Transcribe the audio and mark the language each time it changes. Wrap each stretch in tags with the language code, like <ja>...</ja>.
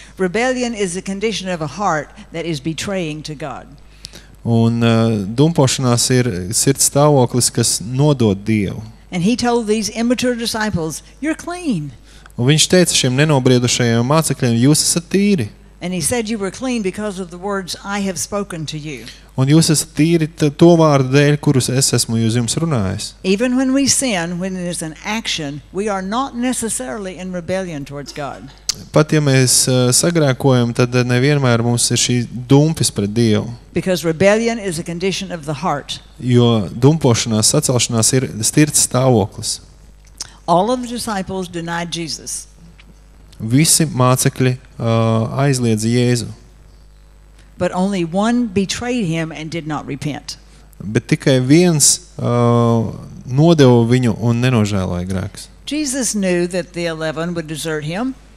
<en>Rebellion is a condition of a heart that is betraying to God.</en> <lv>Un dumpošanās ir sirds stāvoklis, kas nodod Dievu.</lv> <en>And he told these immature disciples, you're clean.</en> <lv>Un viņš teica šiem nenobriedušajiem mācekļiem, jūs esat tīri.</lv> <en>And he said you were clean because of the words I have spoken to you.</en> <lv>Un jūs esat tīri to vārdu dēļ, kurus es esmu uz jums runājis.</lv> <en>Even when we sin, when it is an action, we are not necessarily in rebellion towards God.</en> <lv>Pat ja mēs sagrēkojam, tad nevienmēr mums ir šī dumpis pret Dievu.</lv> <en>Because rebellion is a condition of the heart.</en> <lv>Jo dumpošanās, sacelšanās ir sirds stāvoklis.</lv> <en>All of the disciples denied Jesus.</en> <lv>Visi mācekļi aizliedza Jēzu.</lv> <en>But only one betrayed him and did not repent.</en> <lv>Bet tikai viens nodeva viņu un nenožēloja grēks.</lv> <en>Jesus knew that the 11 would desert him.</en>